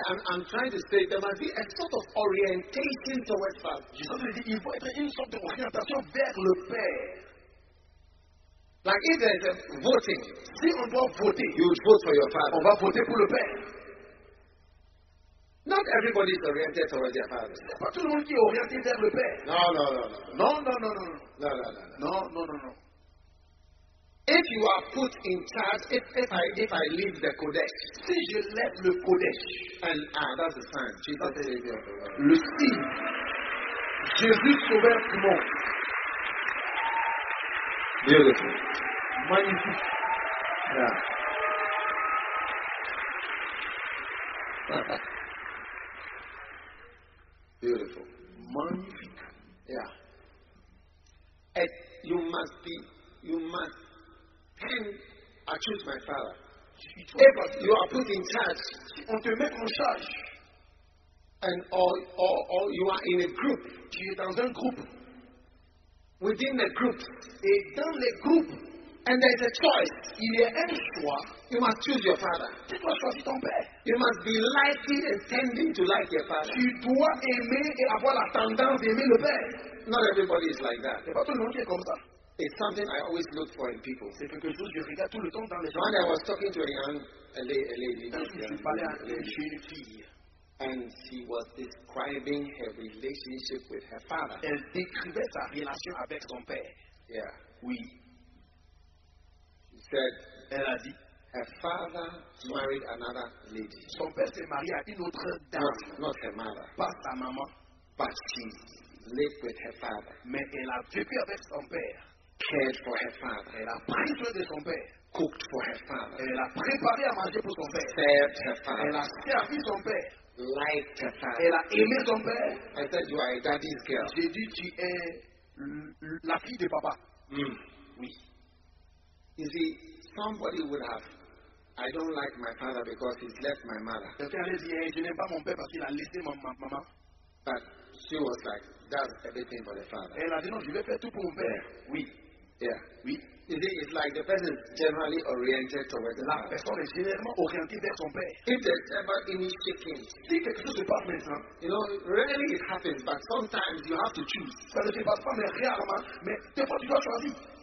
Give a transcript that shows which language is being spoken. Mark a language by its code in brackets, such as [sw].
[en] I'm trying to say there must be a sort of orientation towards Father. [fr] Dit, il faut être une sorte d'orientation vers le Père. [en] Like if there's a voting, [fr] si on doit voter, [en] you would vote for your father. [fr] On va voter pour le père. [en] Not everybody is oriented towards their father. [fr] C'est pas tout le monde qui est orienté vers le père. [en] No. If you are put in charge, if I leave the Kodesh, [fr] si je lève le Kodesh, [en] and that's the sign. Jesus is the Lord. [fr] Le signe. Jésus sauveur du monde. [en] Beautiful. [fr] Magnifique. [en] Yeah. Beautiful. [fr] Magnifique. [en] Yeah. And you must be, you must then I choose my father. Hey, you are put in charge. [fr] On te met en charge. [en] And or you are in a group. [fr] Tu es dans un groupe. [en] Within the group, [fr] et dans le groupe, [en] and there is a choice. [fr] Il y a un choix. [en] You must choose your father. [fr] Tu dois choisir ton père. [en] You must be liking and tending to like your father. [fr] Tu dois aimer et avoir la tendance d'aimer le père. [en] Not everybody is like that. [fr] C'est pas tout le monde qui est comme ça. [en] It's something I always look for in people. [fr] C'est quelque chose que je regarde tout le temps dans les [en] gens. When I was talking to a young lady, and she was describing her relationship with her father. [fr] Elle décrivait sa relation avec son père. [en] Yeah. [fr] Oui. [en] She said, [fr] elle a dit, [en] her father married another lady. [fr] Son père s'est marié à une autre dame. [en] Not her mother. [fr] Pas sa maman. [en] But she lived with her father. [fr] Mais elle a vécu avec son père. [en] Cared for her father. [fr] Elle a pris soin de son père. [en] Cooked for her father. [fr] Elle a préparé à manger pour son père. [en] Served her father. [fr] Elle a servi son père. [en] Like her father. [fr] Elle a aimé son père. [en] I said you are a daddy's girl. [fr] J'ai dit tu es la fille de papa. Mm. Oui. [en] You see, somebody would have. I don't like my father because he's left my mother. [fr] Quelqu'un a dit je n'aime pas mon père parce qu'il a laissé ma maman. [en] But she was like that's everything for the father. [fr] Elle a dit non je vais faire tout pour mon père. Oui. Yeah. Oui. [en] You see, it's like the person is generally oriented towards the [fr] Lord. La personne est généralement orientée vers son père. [en] If there's ever any shaking, [fr] si quelque chose se passe maintenant, [en] you know, rarely it happens, but sometimes you have to choose. [fr] Ça ne se passe pas, mais rarement, mais des fois tu dois choisir.